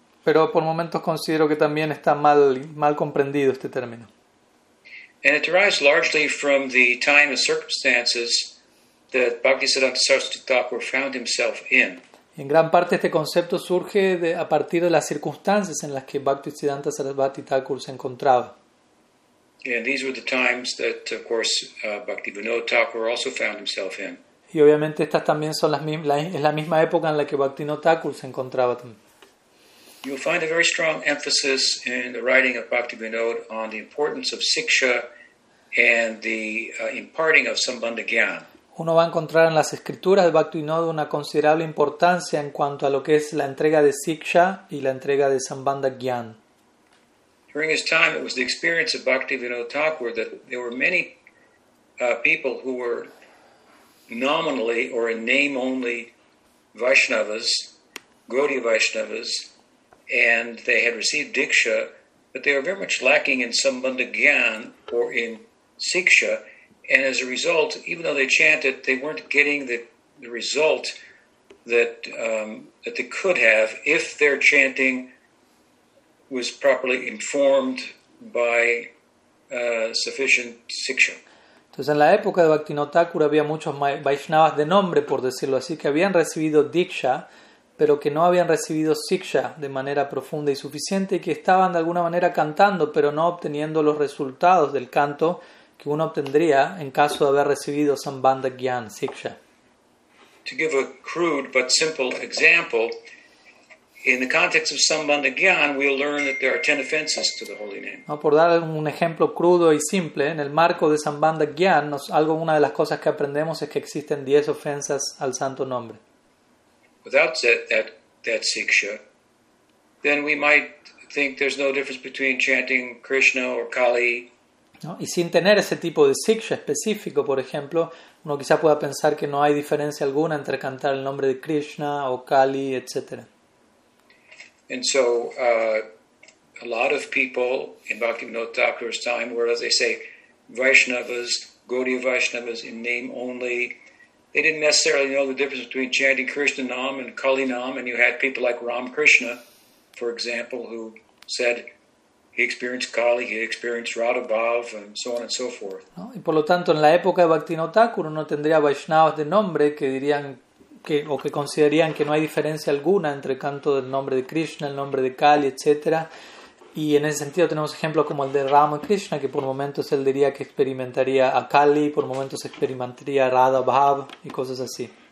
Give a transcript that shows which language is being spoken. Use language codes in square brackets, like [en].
[es] Pero por momentos considero que también está mal comprendido este término. [en] And it derives largely from the time and circumstances that Bhaktisiddhanta Saraswati Thakur found himself in. [es] En gran parte este concepto surge a partir de las circunstancias en las que Bhaktisiddhanta Saraswati Thakur se encontraba. [en] And these were the times that, of course, Bhaktivinoda Thakur also found himself in. [es] Y obviamente estas también son la misma época en la que Bhaktivinoda Thakur se encontraba también. [en] You'll find a very strong emphasis in the writing of Bhaktivinoda on the importance of siksha and the imparting of sambandha gyan. [es] Uno va a encontrar en las escrituras de Bhaktivinoda una considerable importancia en cuanto a lo que es la entrega de siksha y la entrega de sambandha gyan. [en] During his time, it was the experience of Bhaktivinoda Thakur that there were many people who were nominally or in name only Vaishnavas, Gaudiya Vaishnavas, and they had received Diksha, but they were very much lacking in Sambandha Gyan or in Siksha, and as a result, even though they chanted, they weren't getting the result that that they could have if their chanting was properly informed by sufficient siksha. [es] Entonces, en la época de Bhaktivinoda Thakur había muchos Vaishnavas de nombre, por decirlo así, que habían recibido diksha, pero que no habían recibido siksha de manera profunda y suficiente, y que estaban de alguna manera cantando, pero no obteniendo los resultados del canto que uno obtendría en caso de haber recibido sambandha gyan, siksha. [en] To give a crude but simple example, in the context of sambandha gyan, we'll learn that there are 10 offenses to the holy name. [es] No, por dar un ejemplo crudo y simple, en el marco de sambandha gyan, algo una de las cosas que aprendemos es que existen 10 ofensas al santo nombre. [en] Without that siksha, then we might think there's no difference between chanting Krishna or Kali. [es] ¿No? Y sin tener ese tipo de siksha específico, por ejemplo, uno quizá pueda pensar que no hay diferencia alguna entre cantar el nombre de Krishna o Kali, etc. [en] And so, a lot of people in Bhaktivinoda Thakur's time were, as they say, Vaishnavas, Gaudiya Vaishnavas in name only. They didn't necessarily know the difference between chanting Krishna Nam and Kali Nam, and you had people like Ram Krishna, for example, who said he experienced Kali, he experienced Radha Bhav, and so on and so forth. [es] ¿No? Y por lo tanto, en la época de Bhaktivinoda Thakur, uno tendría Vaishnavas de nombre que dirían que, o que considerarían que no hay diferencia alguna entre el canto del nombre de Krishna, el nombre de Kali, etc. Y en ese sentido tenemos ejemplos como el de Rama Krishna, que por momentos él diría que experimentaría a Kali, por momentos experimentaría a Radha Bhav y cosas así.